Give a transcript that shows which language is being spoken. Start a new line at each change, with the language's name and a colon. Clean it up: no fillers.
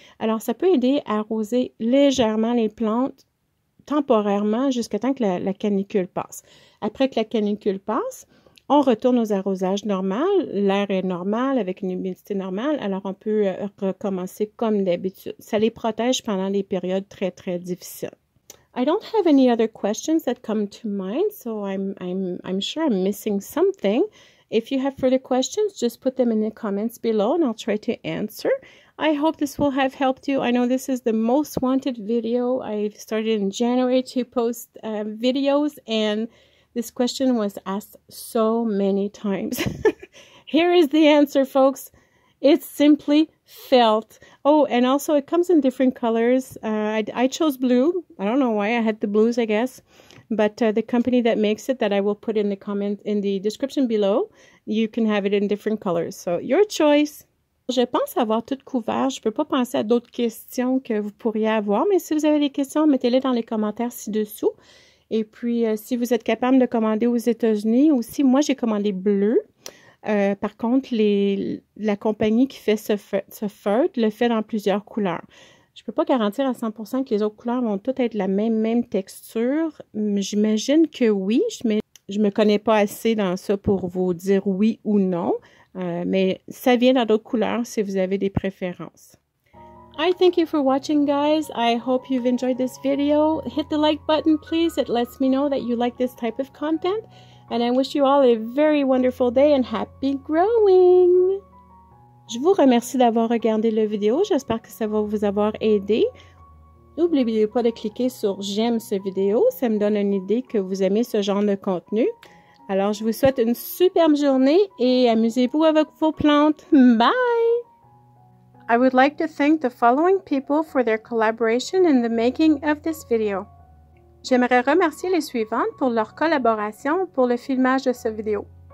French: Alors, ça peut aider à arroser légèrement les plantes temporairement jusqu'à temps que la canicule passe. Après que la canicule passe, on retourne aux arrosages normaux. L'air est normal avec une humidité normale. Alors, on peut recommencer comme d'habitude. Ça les protège pendant des périodes très, très difficiles.
English: I don't have any other questions that come to mind, so I'm sure I'm missing something. If you have further questions, just put them in the comments below and I'll try to answer. I hope this will have helped you. I know this is the most wanted video. I've started in January to post videos, and this question was asked so many times. Here is the answer, folks. It's simply felt. Oh, and also it comes in different colors. I chose blue. I don't know why I had the blues, I guess. But the company that makes it, that I will put in the comment in the description below, you can have it in different colors. So your choice.
French: Je pense avoir tout couvert. Je peux pas penser à d'autres questions que vous pourriez avoir. Mais si vous avez des questions, mettez-les dans les commentaires ci-dessous. Et puis, si vous êtes capable de commander aux États-Unis aussi, moi, j'ai commandé bleu. Par contre, la compagnie qui fait ce feutre le fait dans plusieurs couleurs. Je ne peux pas garantir à 100% que les autres couleurs vont toutes être la même texture. J'imagine que oui, mais je ne me connais pas assez dans ça pour vous dire oui ou non. Mais ça vient dans d'autres couleurs si vous avez des préférences.
English: I thank you for watching, guys. I hope you've enjoyed this video. Hit the like button, please. It lets me know that you like this type of content. And I wish you all a very wonderful day and happy growing!
French: Je vous remercie d'avoir regardé la vidéo. J'espère que ça va vous avoir aidé. N'oubliez pas de cliquer sur « J'aime cette vidéo ». Ça me donne une idée que vous aimez ce genre de contenu. Alors, je vous souhaite une superbe journée et amusez-vous avec vos plantes.
English: Bye! I would like to thank the following people for their collaboration in the making of this video.
French: J'aimerais remercier les suivantes pour leur collaboration pour le filmage de cette vidéo.